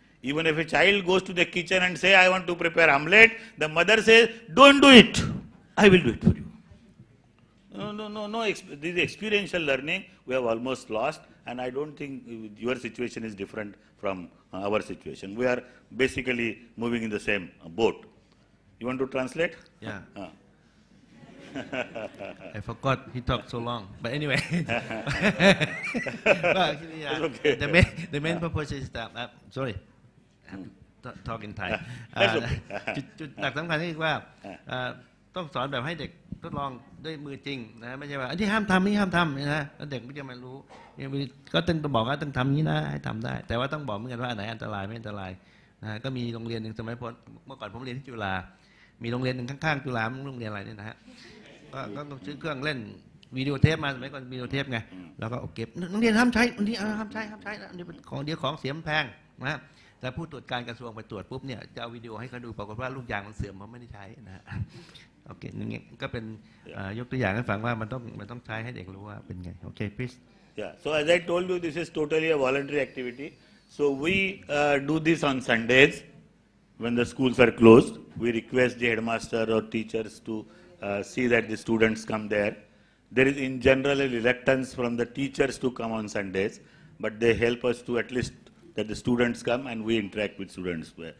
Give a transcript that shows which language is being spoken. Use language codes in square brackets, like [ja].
[en] even if a child goes to the kitchen and say I want to prepare omelette the mother says don't do it I will do it for you no this experiential learning we have almost lost and I don't think your situation is different from our situation we are basically moving in the same boat you want to translate yeah I forgot he talked so long but anyway but actually, yeah, okay. the main purpose is that sorry talking Thai [th] จุดหลักสำคัญก็คือว่าต้องสอนแบบให้เด็กทดลองด้วยมือจริงนะไม่ใช่ว่าอันที่ห้ามทำนี่ห้ามทำนะแล้วเด็กไม่จะมารู้ยังมีก็ต้องบอกว่าต้องทำนี้นะให้ทำได้แต่ว่าต้องบอกเหมือนกันว่าไหนอันตรายไม่อันตรายนะก็มีโรงเรียนหนึ่งสมัยเมื่อก่อนผมเรียนที่จุฬามีโรงเรียนหนึ่งข้างๆจุฬาโรงเรียนอะไรเนี่ยนะฮะ ก็ต้องซื้อเครื่องเล่นวิดีโอเทปมาสมัยก่อนวิดีโอเทปไงแล้วก็เก็บโรงเรียนห้ามใช้อันนี้ห้ามใช้อันนี้เป็นของเดียวของเสียมแพงนะแต่ผู้ตรวจการกระทรวงไปตรวจปุ๊บเนี่ยจะเอาวิดีโอให้เขาดูปรากฏว่าลูกยางมันเสื่อมเพราะไม่ได้ใช้นะโอเคอย่างเงี้ยก็เป็นยกตัวอย่างให้ฟังว่ามันต้องใช้ให้เด็กรู้ว่าเป็นไงโอเค please [en] yeah so as I told you this is totally a voluntary activity so we do this on Sundays when the schools are closed we request the headmaster or teachers to see that the students come there There is in general a reluctance from the teachers to come on Sundays, but they help us to at least that the students come and we interact with students.